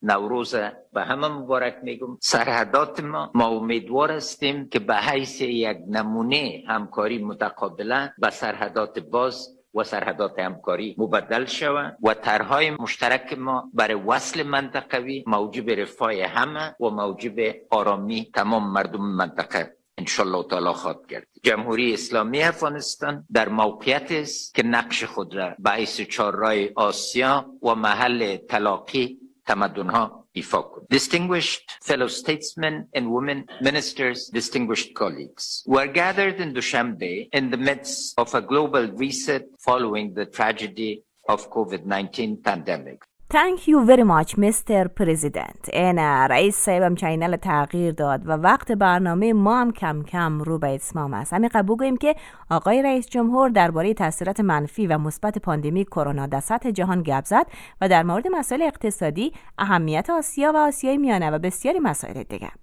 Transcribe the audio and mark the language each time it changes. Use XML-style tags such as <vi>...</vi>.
<fa>نوروز به همه مبارک میگم. سرحدات ما امیدوار هستیم که به حیث یک نمونه همکاری متقابلا به سرحدات باز و سرحدات همکاری مبدل شوند و طرح‌های مشترک ما برای وصل منطقوی موجب رفاه همه و موجب آرامی تمام مردم منطقه انشالله تعالی خواهد کرد. جمهوری اسلامی افغانستان در موقعیت است که نقش خود را به حیث چهارراه آسیا و محل تلاقی تمدن‌ها ایفا کند.</fa> <en>Distinguished fellow statesmen and women ministers, distinguished colleagues, we are gathered in Dushanbe in the midst of a global reset following the tragedy of COVID-19 pandemic. Thank you very much, Mr. President.</en> <fa>اینه رئیس صاحبم چینل تغییر داد و وقت برنامه ما هم کم کم رو به اتمام است. همین قبل بگویم که آقای رئیس جمهور درباره تأثیرات منفی و مثبت پاندمی کرونا در سطح جهان گپ زد و در مورد مسائل اقتصادی، اهمیت آسیا و آسیای میانه و بسیاری مسائل دیگر.</fa>